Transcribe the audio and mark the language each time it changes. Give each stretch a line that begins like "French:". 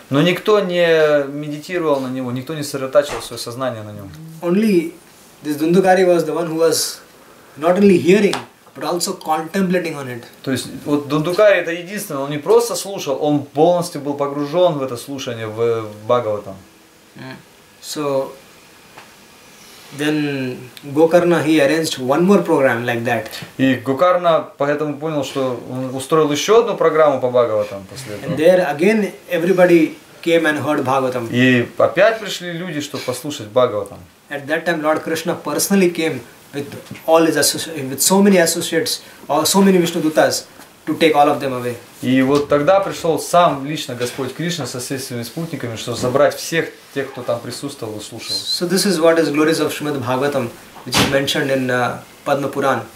Russian: Но никто не медитировал на него, никто не сосредотачивал свое сознание на нем.
English: Only this Dundukari was the one who was not only hearing, but also contemplating on it.
Russian: То есть вот Дундукари это единственное, он не просто слушал, он полностью был погружен в это слушание в Бхагаватам.
English: So then Gokarna he arranged one more program like that.
Russian: И Гокарна поэтому понял, что он устроил еще одну программу по Бхагаватам после этого.
English: And there again everybody came and heard Bhagavatam.
Russian: И опять пришли люди, чтобы послушать Бхагаватам.
English: At that time Lord Krishna personally came with all his with so many associates or so many Vishnudutas to take all of them away.
Russian: И вот тогда пришел сам лично Господь Кришна со всеми своими спутниками, чтобы забрать всех тех, кто там присутствовал и слушал.
English: So this is what is glories of Shrimad Bhagavatam, which is mentioned in Padma Puran.